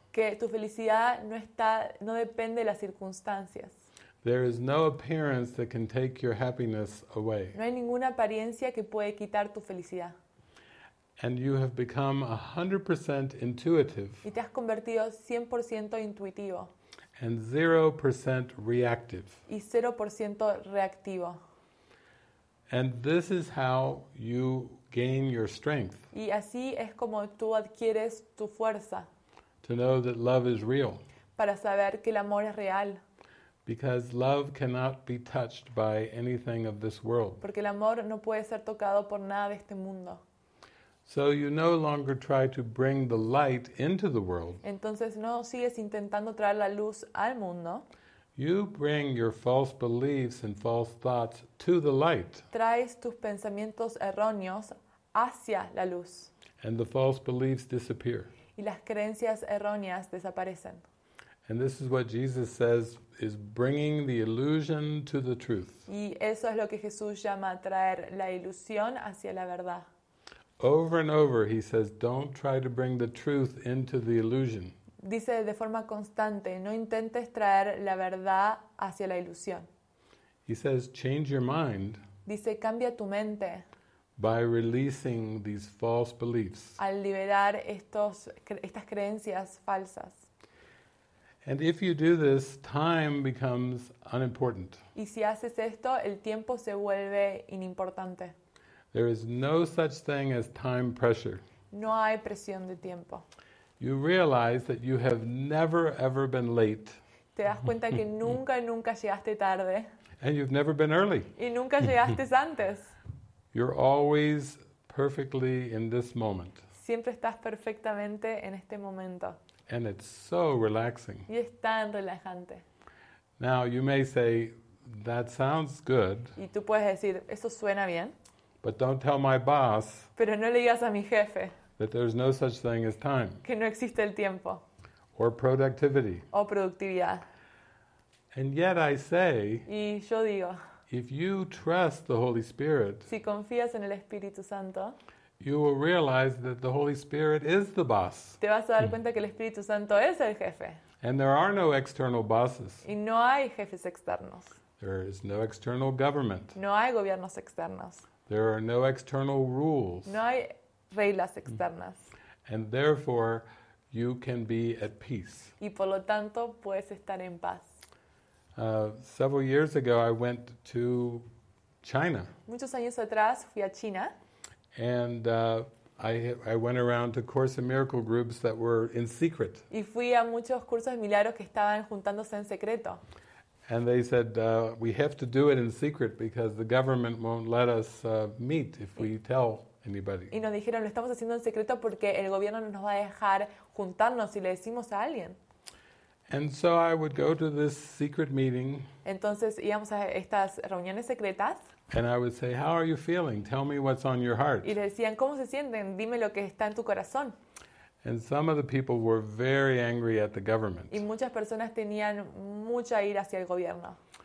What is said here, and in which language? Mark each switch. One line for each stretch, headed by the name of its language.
Spanish: Que tu felicidad no depende de las circunstancias.
English: There is no appearance that can take your happiness away.
Spanish: No hay ninguna apariencia que puede quitar tu felicidad.
English: And you have become 100% intuitive.
Spanish: Y te has convertido 100% intuitivo.
English: And 0% reactive.
Spanish: Y 0% reactivo.
English: And this is how you gain your strength.
Spanish: Y así es como tú adquieres tu fuerza.
English: To know that love is real.
Spanish: Para saber que el amor es real.
English: Because love cannot be touched by anything of this world.
Spanish: Porque el amor no puede ser tocado por nada de este mundo.
English: So you no longer try to bring the light into the world.
Spanish: Entonces no sigues intentando traer la luz al mundo.
English: You bring your false beliefs and false thoughts to the light.
Spanish: Traes tus pensamientos erróneos hacia la luz.
English: And the false beliefs disappear.
Spanish: Y las creencias erróneas desaparecen.
English: And this is what Jesus says is bringing the illusion to the truth.
Spanish: Y eso es lo que Jesús llama traer la ilusión hacia la verdad.
English: Over and over he says, don't try to bring the truth into the illusion.
Spanish: Dice de forma constante, no intentes traer la verdad hacia la ilusión.
English: He says, change your mind.
Spanish: Dice, cambia tu mente.
English: By releasing these false beliefs.
Spanish: Al liberar estas creencias falsas.
English: And if you do this, time becomes unimportant.
Spanish: Y si haces esto, el tiempo se vuelve inimportante.
English: There is no such thing as time pressure.
Spanish: No hay presión de tiempo.
English: You realize that you have never ever been late.
Spanish: Te das cuenta que nunca, nunca llegaste tarde.
English: And you've never been early.
Spanish: Y nunca llegaste antes.
English: You're always perfectly in this moment.
Spanish: Siempre estás perfectamente en este momento.
English: And it's so relaxing.
Spanish: Y es tan relajante.
English: Now you may say, that sounds good.
Spanish: Y tú puedes decir, eso suena bien.
English: But don't tell my boss.
Spanish: Pero no le digas a mi jefe.
English: That there's no such thing as time.
Spanish: Que no existe el tiempo.
English: Or productivity.
Spanish: O productividad.
English: And yet I say.
Spanish: Y yo digo.
English: If you trust the Holy Spirit.
Spanish: Si confías en el Espíritu Santo.
English: You will realize that the Holy Spirit is the boss.
Spanish: Te vas a dar cuenta que el Espíritu Santo es el jefe.
English: And there are no external bosses.
Spanish: Y no hay jefes externos.
English: There is no external government.
Spanish: No hay gobiernos externos.
English: There are no external rules.
Spanish: No hay reglas externas.
English: And therefore, you can be at peace.
Spanish: Y por lo tanto, puedes estar en paz.
English: Several years ago, I went to China.
Spanish: Muchos años atrás, fui a China.
English: And I went around to Course in Miracle groups that were in secret.
Spanish: Y fui a muchos cursos de milagros que estaban juntándose en secreto.
English: And they said, we have to do it in secret because the government won't let us meet if we tell anybody.
Spanish: Y nos dijeron, lo estamos haciendo en secreto porque el gobierno no nos va a dejar juntarnos si le decimos a alguien.
English: And so I would go to this secret meeting.
Spanish: Entonces íbamos a estas reuniones secretas.
English: And I would say, how are you feeling? Tell me what's on your heart.
Spanish: Y le decían, ¿cómo se sienten? Dime lo que está en tu corazón.
English: And some of the people were very angry at the government.
Spanish: Y muchas personas tenían mucha ira hacia el gobierno.